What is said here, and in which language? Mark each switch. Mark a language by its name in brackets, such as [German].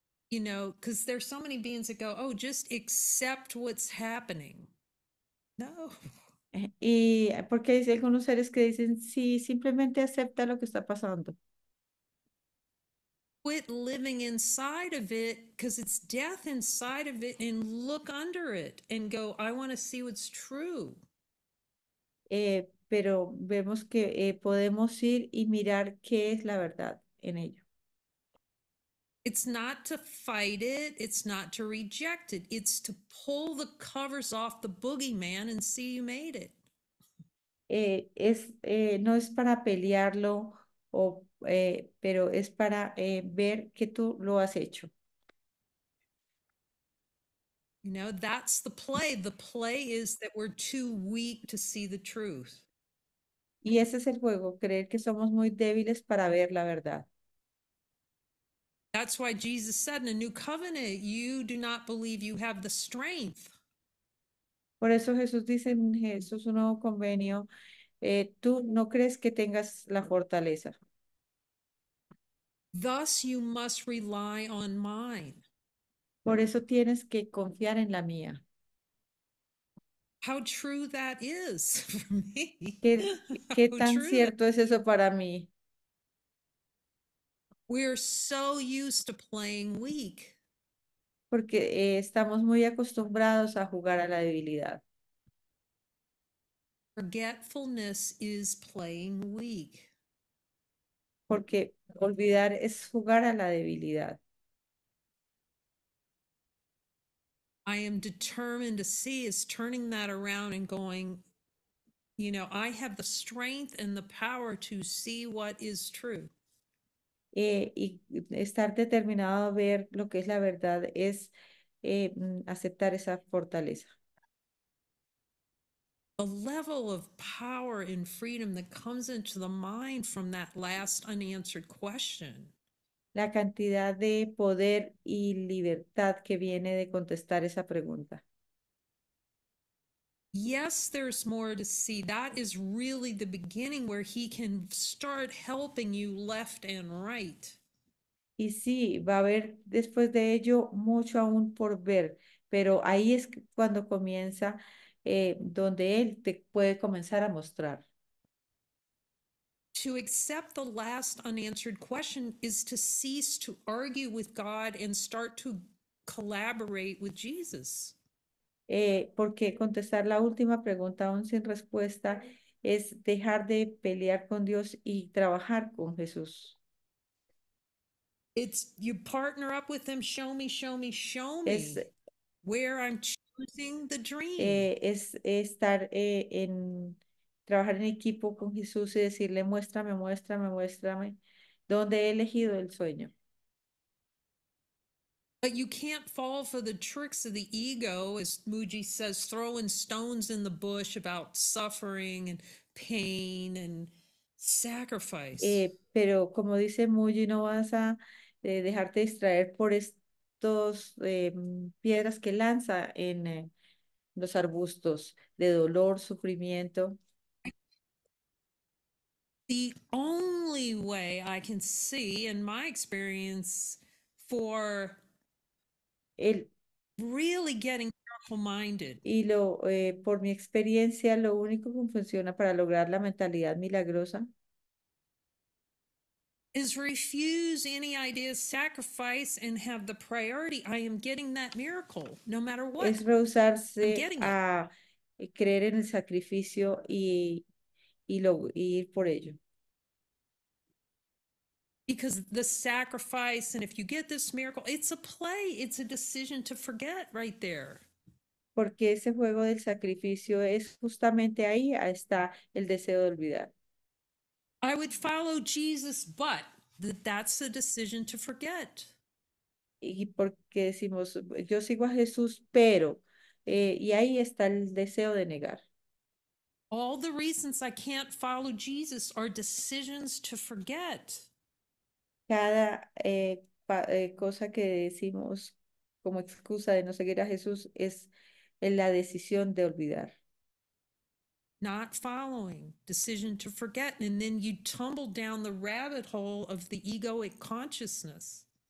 [English] You know, because there's so many beings that go, oh, just accept what's happening. No. [Spanish] Y porque hay algunos seres que dicen, sí, simplemente acepta lo que está pasando. [English] Quit living inside of it because it's death inside of it and look under it and go, I want to see what's true. [Spanish] Pero vemos que podemos ir y mirar qué es la verdad en ello. [English] It's not to fight it, it's not to reject it, it's to pull the covers off the boogeyman and see you made it. [Spanish] No es para pelearlo o pero es para ver que tú lo has hecho. [English] You know, that's the play. The play is that we're too weak to see the truth. [Spanish] Y ese es el juego, creer que somos muy débiles para ver la verdad. [English] That's why Jesus said in a new covenant, you do not believe you have the strength. [Spanish] Por eso Jesús dice en Jesús, un nuevo convenio, tú no crees que tengas la fortaleza. [English] Thus, you must rely on mine. [Spanish] Por eso tienes que confiar en la mía. [English] How true that is for me. [Spanish] ¿Qué [English] How [Spanish] tan [English] true that [Spanish] cierto es eso para mí? [English] we are so used to playing weak. [Spanish] Porque estamos muy acostumbrados a jugar a la debilidad. [English] Forgetfulness is playing weak. [Spanish] Porque olvidar es jugar a la debilidad. [English] I am determined to see is turning that around and going, you know, I have the strength and the power to see what is true. [Spanish] Y estar determinado a ver lo que es la verdad es aceptar esa fortaleza. [English] The level of power and freedom that comes into the mind from that last unanswered question. [Spanish] La cantidad de poder y libertad que viene de contestar esa pregunta. [English] Yes, there's more to see. That is really the beginning where he can start helping you left and right. [Spanish] Y sí, va a haber después de ello mucho aún por ver, pero ahí es cuando comienza donde él te puede comenzar a mostrar. [English] To accept the last unanswered question is to cease to argue with God and start to collaborate with Jesus. [Spanish] Porque contestar la última pregunta aún sin respuesta es dejar de pelear con Dios y trabajar con Jesús. [English] It's you partner up with them, show [Spanish] Es [English] me where I'm choosing the dream. [Spanish] estar en trabajar en equipo con Jesús y decirle, muéstrame, muéstrame, muéstrame dónde he elegido el sueño. [English] But you can't fall for the tricks of the ego, as Muji says, throwing stones in the bush about suffering and pain and sacrifice. [Spanish] Pero como dice Muji, no vas a dejarte distraer por esto. Dos piedras que lanza en los arbustos de dolor, sufrimiento. [English] The only way I can see, in my experience, for really getting careful-minded. [Spanish] Y lo por mi experiencia, lo único que funciona para lograr la mentalidad milagrosa [English] Is refuse any idea of sacrifice and have the priority. I am getting that miracle, no matter [Spanish] es [English] what. I'm [Spanish] rehusarse [English] getting it. [Spanish] a creer en el sacrificio y ir por ello. [English] Because the sacrifice, and if you get this miracle, it's a play, it's a decision to forget right there. [Spanish] Porque ese juego del sacrificio es justamente ahí, ahí está el deseo de olvidar. [English] I would follow Jesus, but that's the decision to forget. [Spanish] y porque decimos, yo sigo a Jesús, pero, y ahí está el deseo de negar. [English] All the reasons I can't follow Jesus are decisions to forget. [Spanish] Cada cosa que decimos como excusa de no seguir a Jesús es la decisión de olvidar. [English] Not following, decision to forget, and then you tumble down the rabbit hole of the egoic consciousness.